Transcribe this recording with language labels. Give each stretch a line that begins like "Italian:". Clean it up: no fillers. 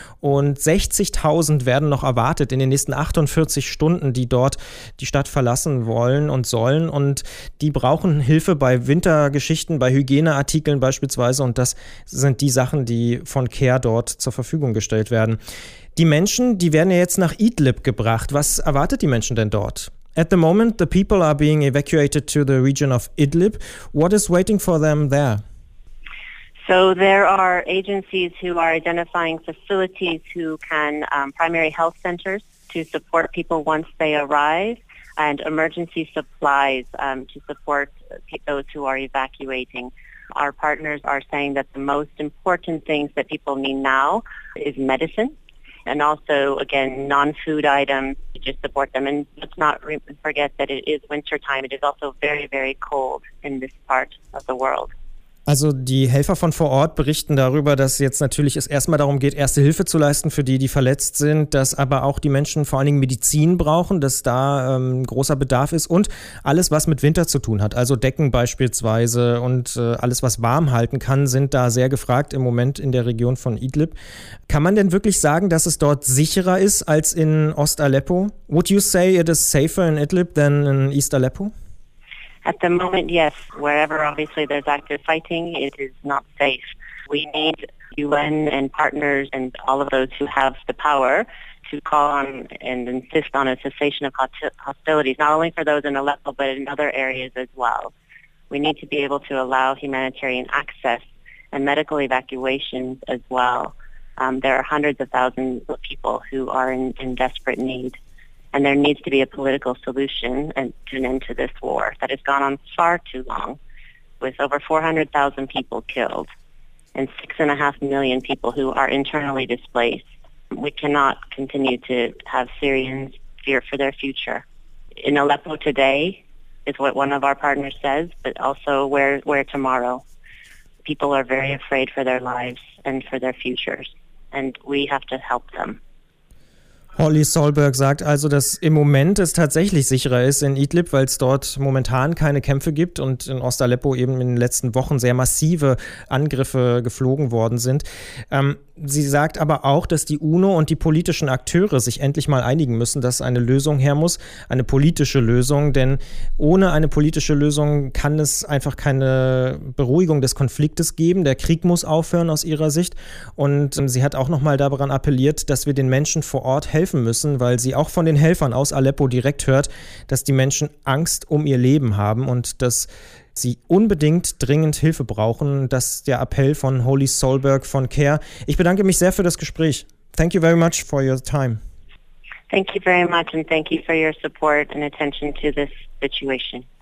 German: Und 60.000 werden noch erwartet in den nächsten 48 Stunden, die dort die Stadt verlassen wollen und sollen. Und die brauchen Hilfe bei Wintergeschichten, bei Hygieneartikeln beispielsweise. Und das sind die Sachen, die von CARE dort zur Verfügung gestellt werden. Die Menschen, die werden ja jetzt nach Idlib gebracht. Was erwartet die Menschen denn dort?
English: At the moment, the people are being evacuated to the region of Idlib. What is waiting for them there? So there are agencies who are identifying facilities who can, primary health centers to support people once they arrive, and emergency supplies to support those who are evacuating. Our partners are saying that the most important things that people need now is medicine. And also, again, non-food items to just support them. And let's not forget that it is winter time. It is also very, very cold in this part of the world.
German: Also die Helfer von vor Ort berichten darüber, dass jetzt natürlich es erstmal darum geht, erste Hilfe zu leisten für die, die verletzt sind, dass aber auch die Menschen vor allen Dingen Medizin brauchen, dass da großer Bedarf ist und alles, was mit Winter zu tun hat, also Decken beispielsweise und alles, was warm halten kann, sind da sehr gefragt im Moment in der Region von Idlib. Kann man denn wirklich sagen, dass es dort sicherer ist als in Ost-Aleppo?
English: Would you say it is safer in Idlib than in East Aleppo? At the moment, yes. Wherever, obviously, there's active fighting, it is not safe. We need UN and partners and all of those who have the power to call on and insist on a cessation of hostilities, not only for those in Aleppo, but in other areas as well. We need to be able to allow humanitarian access and medical evacuations as well. There are hundreds of thousands of people who are in desperate need. And there needs to be a political solution and to an end to this war that has gone on far too long, with over 400,000 people killed and 6.5 million people who are internally displaced. We cannot continue to have Syrians fear for their future. In Aleppo today is what one of our partners says, but also where tomorrow. people are very afraid for their lives and for their futures, and we have to help them.
German: Holly Solberg sagt also, dass im Moment es tatsächlich sicherer ist in Idlib, weil es dort momentan keine Kämpfe gibt und in Ost-Aleppo eben in den letzten Wochen sehr massive Angriffe geflogen worden sind. Sie sagt aber auch, dass die UNO und die politischen Akteure sich endlich mal einigen müssen, dass eine Lösung her muss, eine politische Lösung, denn ohne eine politische Lösung kann es einfach keine Beruhigung des Konfliktes geben. Der Krieg muss aufhören aus ihrer Sicht, und sie hat auch nochmal daran appelliert, dass wir den Menschen vor Ort helfen müssen, weil sie auch von den Helfern aus Aleppo direkt hört, dass die Menschen Angst um ihr Leben haben und dass sie unbedingt dringend Hilfe brauchen. Das ist der Appell von Holly Solberg von CARE. Ich bedanke mich sehr für das Gespräch.
English: Thank you very much for your time. Thank you very much and thank you for your support and attention to this situation.